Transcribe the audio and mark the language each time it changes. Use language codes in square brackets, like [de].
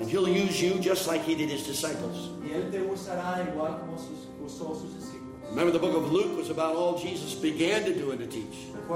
[en] And He'll use you just like He did His disciples. [es] Y Él te usará igual como usó sus discípulos. [en] Remember, the book of Luke was about all Jesus began to do and to teach.